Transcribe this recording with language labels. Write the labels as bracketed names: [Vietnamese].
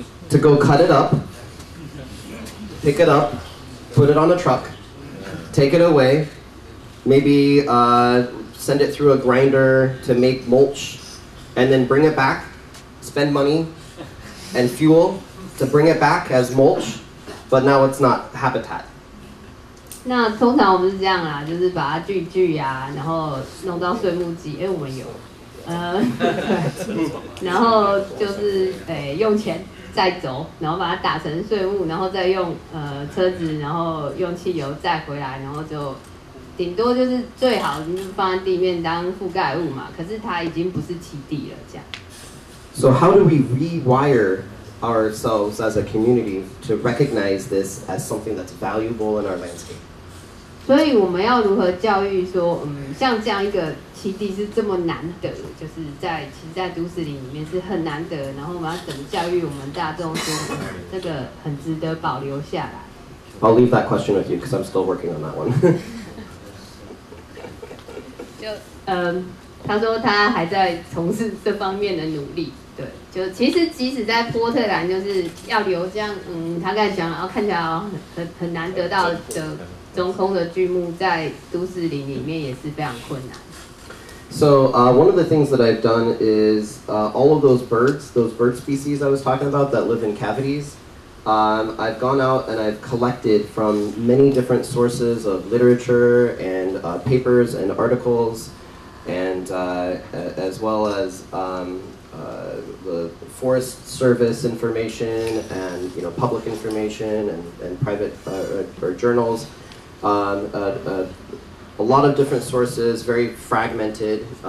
[English] To go cut it up, pick it up, put it on a truck, take it away, maybe send it through a grinder to make mulch, and then bring it back, spend money and fuel to bring it back as mulch, but now it's not habitat. [Chinese] 那通常我们是这样啦，就是把它锯啊，然后弄到碎木机，因为我们有，然后就是用钱载走，然后把它打成碎木，然后再用车子，然后用汽油载回来，然后就顶多就是最好就是放在地面当覆盖物嘛，可是它已经不是栖地了，这样。 [English] So how do we rewire? Ourselves as a community to recognize this as something that's valuable in our landscape. [Chinese] 所以我们要如何教育说，像这样一个栖地是这么难得，就是在其实，在都市里面是很难得。然后我们要怎么教育我们大众说，这个很值得保留下来 [English] ？I'll leave that question with you because I'm still working on that one. [Chinese] 他说他还在从事这方面的努力。对，就其实即使在波特兰，就是要留这样，他刚才讲，然后看起来很难得到的中空的巨木，在都市林里面也是非常困难。 [English] So one of the things that I've done is all of those bird species I was talking about that live in cavities, I've gone out and I've collected from many different sources of literature and papers and articles, and as well as the Forest Service information and, you know, public information and private or journals, a lot of different sources, very fragmented.